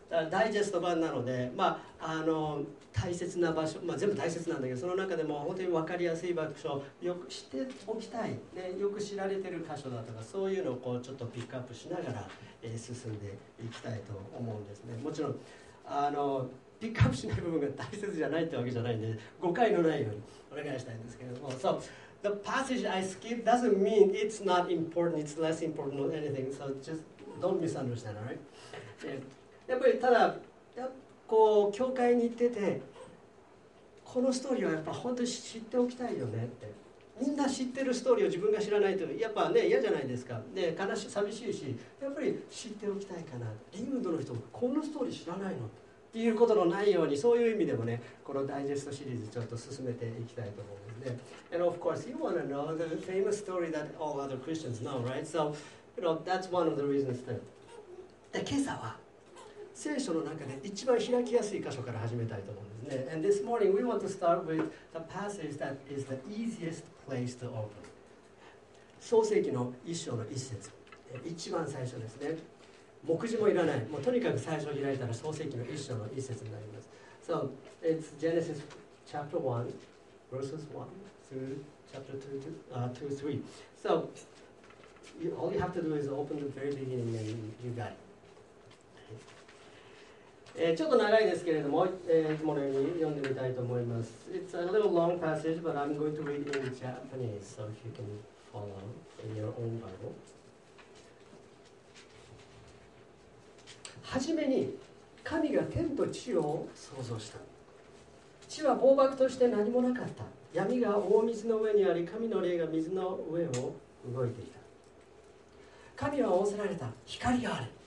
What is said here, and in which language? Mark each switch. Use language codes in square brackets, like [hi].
[ja] ダイジェスト版なので、まあ、あの大切な場所、まあ、全部大切なんだけど、その中でも本当に分かりやすい場所、よく知っておきたい、ね、よく知られている箇所だとか、そういうのをこうちょっとピックアップしながら、進んでいきたいと思うんですね。もちろんあの、ピックアップしない部分が大切じゃないってわけじゃないんで、誤解のないようにお願いしたいんですけれども、 [en] So,The passage I skipped doesn't mean it's not important, it's less important than anything, so just don't misunderstand, all right? [ja] やっぱりただ、こう、教会に行ってて、このストーリーはやっぱ本当に知っておきたいよねって。みんな知ってるストーリーを自分が知らないと、やっぱね、嫌じゃないですか。で、悲しい、寂しいし、やっぱり知っておきたいかな。リムドの人、このストーリー知らないのっていうことのないように、そういう意味でもね、このダイジェストシリーズちょっと進めていきたいと思う。 [en] And of course, you want to know the famous story that all other Christians know, right? So, you know, that's one of the reasons that. [ja] で、今朝は聖書の中で一番開きやすい箇所から始めたいと思うんですね。 [en] And this morning, we want to start with the passage that is the easiest place to open. [ja] 創世記の一章の一節。一番最初ですね。目次もいらない。もうとにかく最初に開いたら創世記の一章の一節になります。 [en] So, it's Genesis chapter 1, verses 1 through chapter 2-3. So, all you have to do is open the very beginning and you got it. [ja] ちょっと長いですけれども、いつものように読んでみたいと思います。 [en] It's a little long passage, but I'm going to read it in Japanese, so if you can follow in your own Bible. [ja] はじめに神が天と地を創造した。地は暴漠として何もなかった。闇が大水の上にあり、神の霊が水の上を動いていた。神は仰せられた。光がある。